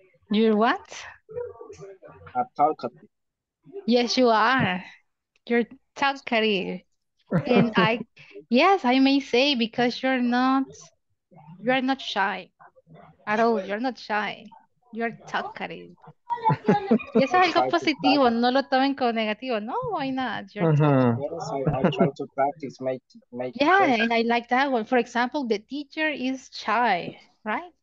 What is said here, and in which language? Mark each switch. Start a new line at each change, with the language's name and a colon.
English: You're what? A talkative. Yes, you are. You're talkative. And I may say because you're not shy at all. You're not shy. You're talkative.
Spanish: Y eso es algo positivo, no lo tomen como negativo.
English: No, why not? You're talkative. Yeah, and I like that one. For example, the teacher is shy, right?